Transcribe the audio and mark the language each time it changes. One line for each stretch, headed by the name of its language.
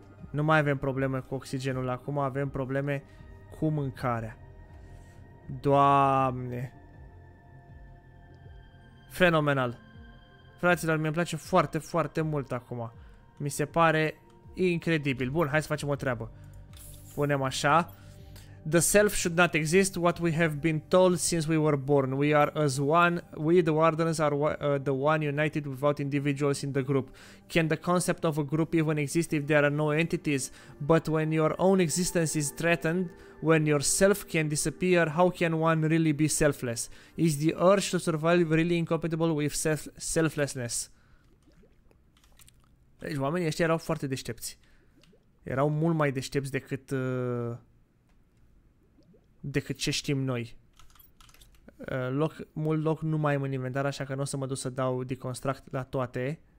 Romanian: Nu mai avem probleme cu oxigenul acum, avem probleme cu mâncarea. Doamne! Fenomenal! Fraților, mi-e place foarte, foarte mult acum. Mi se pare incredibil. Bun, hai să facem o treabă. Punem așa.
English: The self should not exist, what we have been told since we were born. We are as one, we the wardens are the one united without individuals in the group. Can the concept of a group even exist if there are no entities? But when your own existence is threatened, when your self can disappear, how can one really be selfless? Is the urge to survive really incompatible with selflessness?
Romanian: Deci oamenii ăștia erau foarte deștepți. Erau mult mai deștepți decât... decât ce știm noi. Mult loc nu mai am în inventar, așa că nu o să mă duc să dau deconstruct la toate.